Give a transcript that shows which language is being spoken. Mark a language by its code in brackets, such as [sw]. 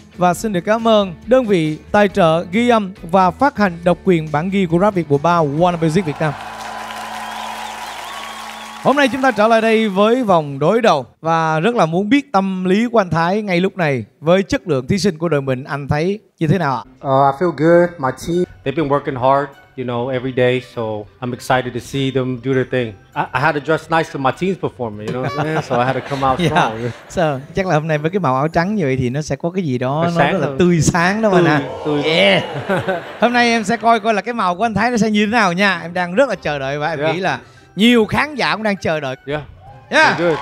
[vi] Và xin được cảm ơn đơn vị tài trợ ghi âm và phát hành độc quyền bản ghi của Rap Việt mùa 3, Warner Music Việt Nam. Hôm nay chúng ta trở lại đây với vòng đối đầu và rất là muốn biết tâm lý của anh Thái ngay lúc này với chất lượng thí sinh của đội mình, anh thấy như thế nào ạ? [en] I feel good, my team. They've been working hard, you know, every day, so I'm excited to see them do their thing. I had to dress nice for my team's performance, you know what I'm saying? So I had to come out strong. [vi] So, chắc là hôm nay với cái màu áo trắng như vậy thì nó sẽ có cái gì đó nó rất là tươi sáng đó mà nè. Hôm nay em sẽ coi là cái màu của anh Thái nó sẽ như thế nào nha. Em đang rất là chờ đợi và em nghĩ là nhiều khán giả cũng đang chờ đợi. [en] Yeah.